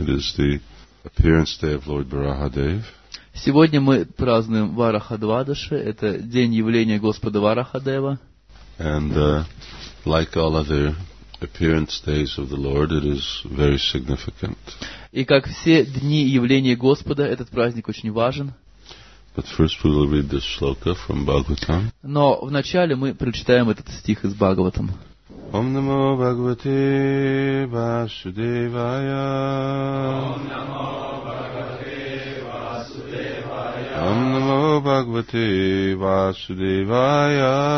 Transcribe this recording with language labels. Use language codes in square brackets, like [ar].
[en] It is the appearance day of Lord Varahadev. [ru] Сегодня мы празднуем Вараха Двадаши. Это день явления Господа Варахадева. [en] And like all other appearance days of the Lord, it is very significant. [ru] И как все дни явления Господа, этот праздник очень важен. [en] But first we will read this shloka from Bhagavatam. [ru] Но вначале мы прочитаем этот стих из Бхагаватам. [sa] Ом намо Бхагавате Васудевая. Ом намо Бхагавате Васудевая.